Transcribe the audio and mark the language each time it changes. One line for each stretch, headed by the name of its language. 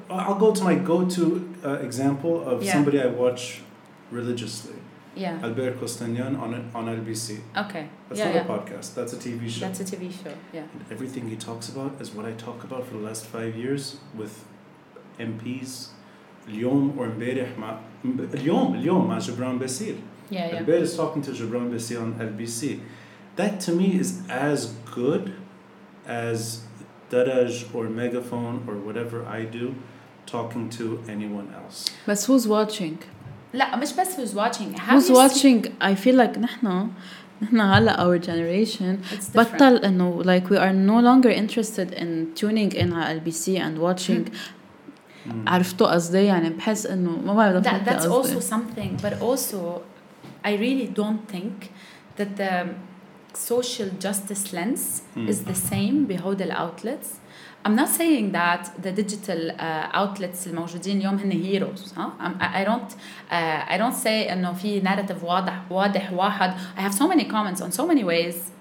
English: I'll go to my go-to example of somebody I watch religiously. Yeah. Albert Costanian on LBC. Okay. That's not a podcast. That's a TV show. That's a TV show, yeah. And everything he talks about is what I talk about for the last 5 years with MPs.
Arabic: اليوم or امبارح مع اليوم مع جبران بسير.
English: Yeah, yeah. Albert is talking to جبران بسير on LBC. That to me is as good as Daraj or Megaphone or whatever I do talking to anyone else. But who's watching?
Arabic: لا مش بس
English: who's watching. I feel like
Arabic: نحنا هلا
English: our generation
Arabic: بطل إنه
English: like we are no longer interested in tuning in
Arabic: على
English: LBC and watching.
Arabic: عرفتوا قصدي يعني بحس إنه ما بعرف
English: that, that's also something. But also I really don't think that the social justice lens is the same behind the outlets. I'm not saying that the digital outlets
Arabic: الموجودين اليوم هن
English: heroes. Huh? I don't say
Arabic: إنه في
English: narrative
Arabic: واضح واحد.
English: I have so many comments on so many ways